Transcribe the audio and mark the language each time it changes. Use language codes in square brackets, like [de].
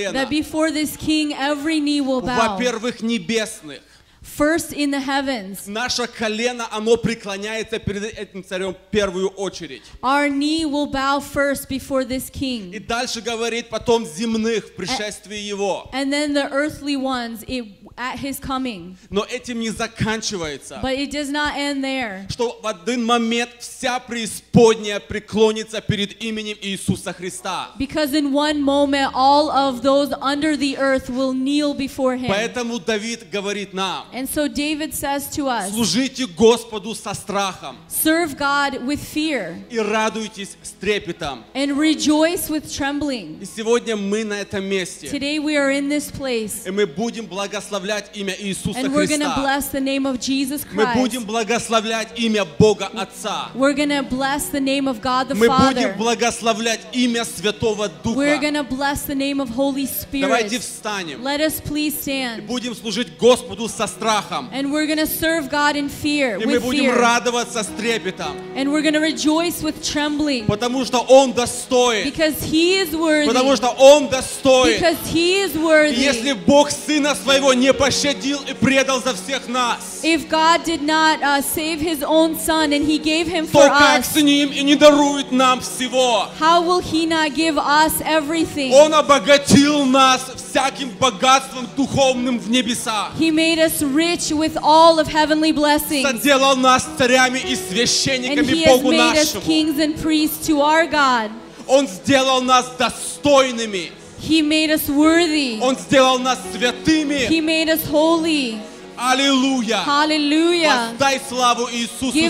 [en] before this king every knee will bow. [ru] Во-первых, небесных. [en] First in the heavens. [ru] Наше колено, оно преклоняется перед этим царем в первую очередь. [en] Our knee will bow first before this king. [ru] И дальше говорит потом земных в пришествии его. [en] And then the earthly ones at his coming. [ru] Но этим не заканчивается. [en] But it does not end there. [ru] Что в один момент вся преисподняя преклонится перед именем Иисуса Христа. [en] Because in one moment all of those under the earth will kneel before him. [ru] Поэтому Давид говорит нам. [en] And so David says to us, [ru] служите Господу со страхом. [en] Serve God with fear. [ru] И радуйтесь с трепетом. [en] And rejoice with trembling. [ru] И сегодня мы на этом месте. [en] Today we are in this place. [ru] И мы будем благословлять имя Иисуса Христа. [en] And we're going to bless the name of Jesus Christ. [ru] Мы будем благословлять имя Бога Отца. [en] We're going to bless the name of God the [ru] мы [en] Father. [ru] Мы будем благословлять имя Святого Духа. [en] We're going to bless the name of Holy Spirit. [ru] Давайте встанем. [en] Let us please stand. [ru] И будем служить Господу со страхом. [en] And we're going to serve God in fear. [ru] И мы будем радоваться с трепетом. [en] And we're going to rejoice with trembling. [ru] Потому что Он достоин. [en] Because He is worthy. [ru] Потому что Он достоин. [en] Because He is worthy. [ru] Если Бог Сына Своего не пощадил и предал за всех нас. [en] If God did not save His own Son and He gave Him for us. [ru] То как с Ним и не дарует нам всего? [en] How will He not give us everything? [ru] Он обогатил нас всяким богатством духовным в небесах. [en] He made us rich with all of heavenly blessings. [ru] Соделал нас царями и священниками Богу нашему. [en] And He has made us kings and priests to our God. [ru] Он сделал нас достойными. [en] He made us worthy. [ru] Он сделал нас святыми. [en] He made us holy. [ru] Аллилуйя. [en] Hallelujah. [ru] Воздай славу Иисусу сегодня.